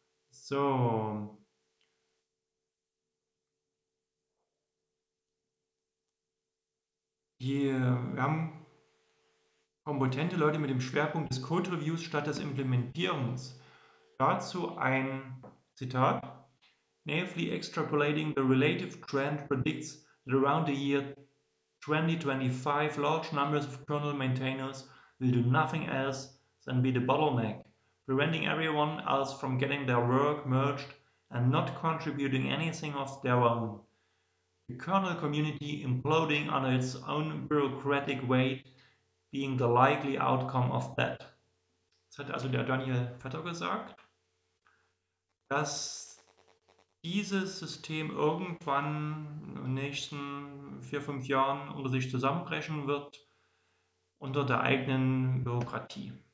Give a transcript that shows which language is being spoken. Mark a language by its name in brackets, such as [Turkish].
[German] So. Wir haben kompetente Leute mit dem Schwerpunkt des Code-Reviews statt des Implementierens. Dazu ein Zitat. [English] Naively extrapolating the relative trend predicts that around the year 2025 large numbers of kernel maintainers will do nothing else than be the bottleneck, preventing everyone else from getting their work merged and not contributing anything of their own. The kernel community imploding under its own bureaucratic weight, being the likely outcome of that. [German] Das hat also der Daniel Vetter gesagt, dass dieses System irgendwann in den nächsten 4, 5 Jahren unter sich zusammenbrechen wird, unter der eigenen Bürokratie.